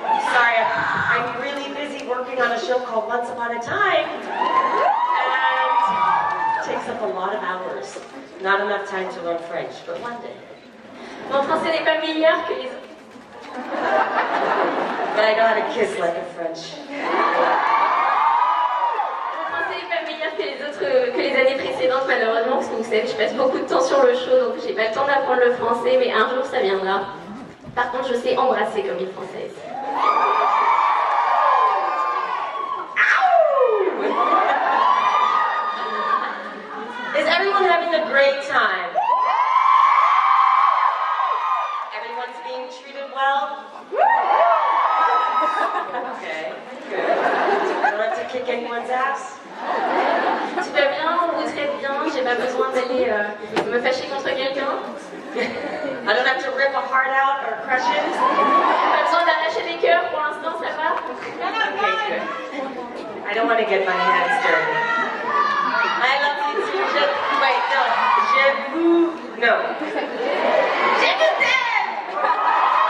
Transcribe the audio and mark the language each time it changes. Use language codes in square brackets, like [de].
[en] Sorry, I'm really busy working on a show called Once Upon a Time. And it takes up a lot of hours. Not enough time to learn French, but one day. [fr] Mon français n'est pas meilleur que les... [en] But I know how to kiss like a French. [fr] Malheureusement, parce que vous savez, je passe beaucoup de temps sur le show, donc j'ai pas le temps d'apprendre le français, mais un jour ça viendra. Par contre, je sais embrasser comme une française. [en] Is everyone having a great time? Everyone's being treated well? Okay, good. You don't have to kick anyone's ass? [fr] Tu vas bien, vous traitez bien, j'ai pas besoin d'aller me fâcher contre quelqu'un. [en] I don't have to rip a heart out or crush it. [fr] J'ai pas besoin d'arracher les cœurs pour l'instant, ça va. [en] Okay, I don't want to get my hands dirty. I love you too, [fr] je... [en] Wait, no. [fr] Je vous... [en] No. [fr] Je vous aime!